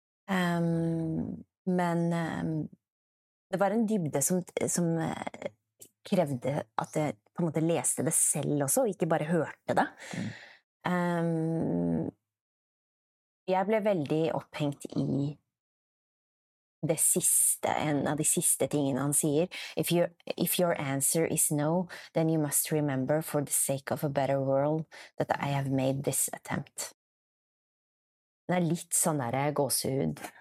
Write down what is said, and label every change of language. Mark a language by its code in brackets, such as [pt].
[no] Men det var en dybde som krevde at jeg på en måte leste det selv også, og ikke bare hørte det. Mm. Jeg ble veldig opphengt i det siste, en av de siste tingene han sier. [en] If your answer is no, then you must remember for the sake of a better world that I have made this attempt. [no] Det litt sånn der gåsehud.